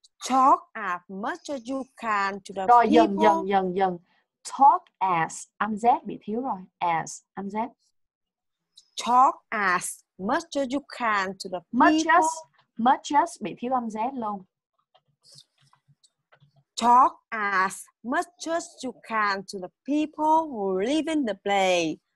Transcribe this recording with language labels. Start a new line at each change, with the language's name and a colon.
English: Talk as much as you can to the
Vietnamese: rồi,
English: people.
Vietnamese: Rồi, dần.
English: Talk as,
Vietnamese: âm Z bị thiếu rồi. As, âm Z.
English: Talk as much as you can to the much people. Much as,
Vietnamese: bị thiếu âm Z luôn.
English: Talk as much as you can to the people who live in the place.